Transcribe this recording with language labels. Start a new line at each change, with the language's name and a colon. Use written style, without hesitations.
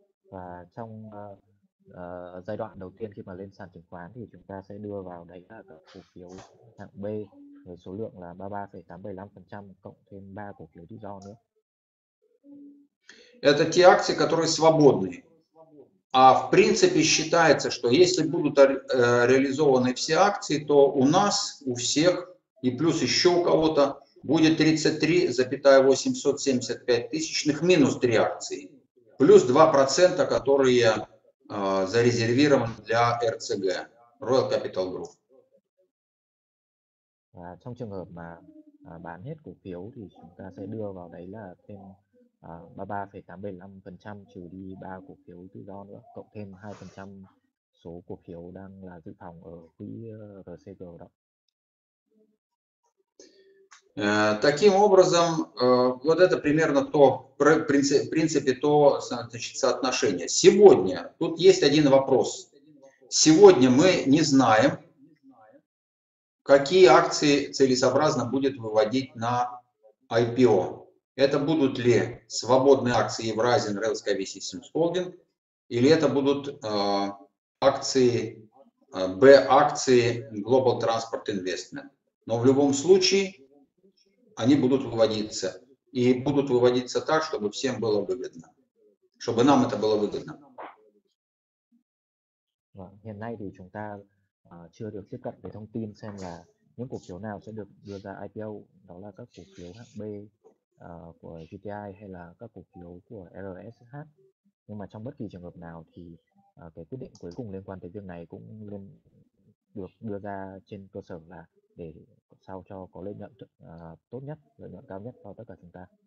Vietnamese: Và trong giai đoạn đầu tiên khi mà lên sàn chứng khoán thì chúng ta sẽ đưa vào đấy là cổ phiếu hạng B với số lượng là 33,875% cộng thêm 3 cổ phiếu tự do nữa.
Russian: Это те акции, которые свободны. А в принципе считается, что если будут реализованы все акции, то у нас, у всех и плюс еще у кого-то будет 33,875 минус 3 акции. Плюс 2%, которые зарезервированы для RCG, Royal Capital Group.
Vietnamese: Và trong trường hợp mà bán hết cổ phiếu thì chúng ta sẽ đưa vào đấy là thêm 33,875% trừ đi 3 cổ phiếu tự do nữa, cộng thêm 2% số cổ phiếu đang là dự phòng ở quỹ RCG đó.
Russian: Таким образом, вот это примерно то, в принципе, то, значит, соотношение. Сегодня, тут есть один вопрос. Сегодня мы не знаем, какие акции целесообразно будет выводить на IPO. Это будут ли свободные акции Евразин, Rail Sky Systems Holding, или это будут акции, B-акции Global Transport Investment. Но в любом случае... они будут выводиться. И будут выводиться так, чтобы всем было выгодно. Чтобы нам это было выгодно.
Vietnamese: Hiện nay thì chúng ta chưa được tiếp cận với thông tin xem là những cổ phiếu nào sẽ được đưa ra IPO, đó là các cổ phiếu hạng B của GTI hay là các cổ phiếu của RSH. Nhưng mà trong bất kỳ trường hợp nào thì cái quyết định cuối cùng liên quan tới việc này cũng luôn được đưa ra trên cơ sở là để sao cho có lợi nhuận tốt nhất, lợi nhuận cao nhất cho tất cả chúng ta.